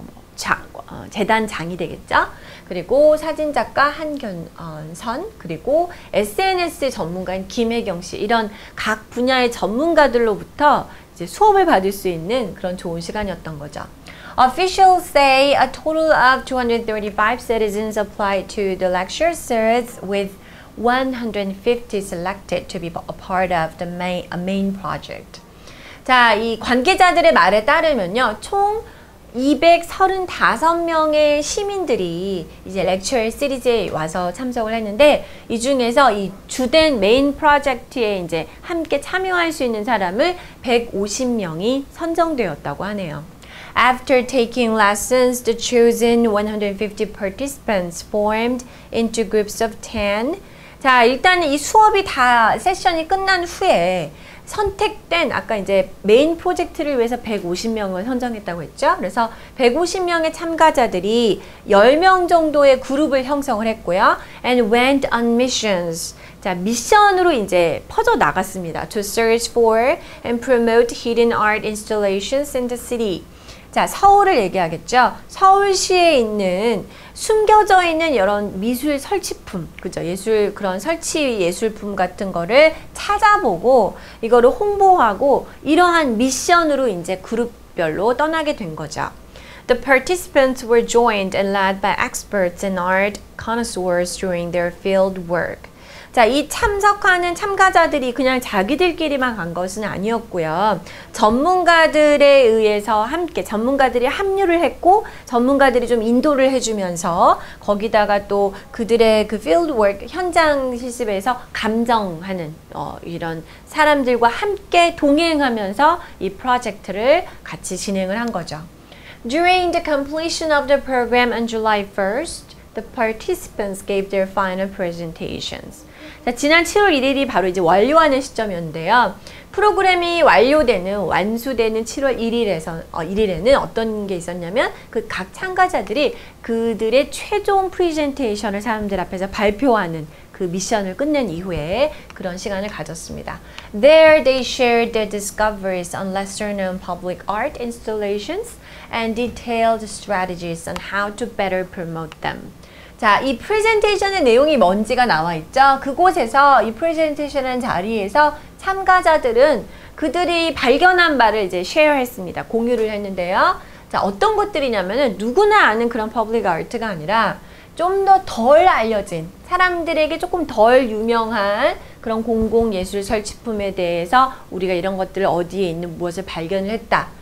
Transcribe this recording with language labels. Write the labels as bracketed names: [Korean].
[Korean] 뭐 재단장이 되겠죠? 그리고 사진작가 한견선, 그리고 SNS 전문가인 김혜경 씨, 이런 각 분야의 전문가들로부터 이제 수업을 받을 수 있는 그런 좋은 시간이었던 거죠. [English] Officials say a total of 235 citizens applied to the lecture series with 150 selected to be a part of the main project. [Korean] 자, 이 관계자들의 말에 따르면요. 총 235명의 시민들이 이제 [English] lecture series [Korean] 에 와서 참석을 했는데 이 중에서 이 주된 메인 프로젝트에 이제 함께 참여할 수 있는 사람을 150명이 선정되었다고 하네요. [English] After taking lessons, the chosen 150 participants formed into groups of 10. [Korean] 자, 일단 이 수업이 다 세션이 끝난 후에 선택된 아까 이제 메인 프로젝트를 위해서 150명을 선정했다고 했죠. 그래서 150명의 참가자들이 10명 정도의 그룹을 형성을 했고요. [English] And went on missions. [Korean] 자, 미션으로 이제 퍼져 나갔습니다. [English] To search for and promote hidden art installations in the city. [Korean] 자, 서울을 얘기하겠죠. 서울시에 있는 숨겨져 있는 이런 미술 설치품, 그죠? 예술, 그런 설치 예술품 같은 거를 찾아보고, 이거를 홍보하고, 이러한 미션으로 이제 그룹별로 떠나게 된 거죠. [English] The participants were joined and led by experts and art connoisseurs during their field work. [Korean] 자, 이 참석하는 참가자들이 그냥 자기들끼리만 간 것은 아니었고요. 전문가들에 의해서 함께, 전문가들이 합류를 했고, 전문가들이 좀 인도를 해주면서, 거기다가 또 그들의 그 [English] field work, [Korean] 현장 실습에서 감정하는, 이런 사람들과 함께 동행하면서 이 프로젝트를 같이 진행을 한 거죠. [English] During the completion of the program on July 1st, the participants gave their final presentations. [Korean] 자, 지난 7월 1일이 바로 이제 완료하는 시점이었는데요. 프로그램이 완료되는, 완수되는 7월 1일에서, 1일에는 어떤 게 있었냐면 그 각 참가자들이 그들의 최종 프레젠테이션을 사람들 앞에서 발표하는 그 미션을 끝낸 이후에 그런 시간을 가졌습니다. [English] There they shared their discoveries on lesser known public art installations and detailed strategies on how to better promote them. [Korean] 자, 이 프레젠테이션의 내용이 뭔지가 나와 있죠. 그곳에서 이 프레젠테이션한 자리에서 참가자들은 그들이 발견한 바를 이제 쉐어했습니다. 공유를 했는데요. 자, 어떤 것들이냐면은 누구나 아는 그런 퍼블릭 아트가 아니라 좀 더 덜 알려진 사람들에게 조금 덜 유명한 그런 공공 예술 설치품에 대해서 우리가 이런 것들을 어디에 있는 무엇을 발견을 했다.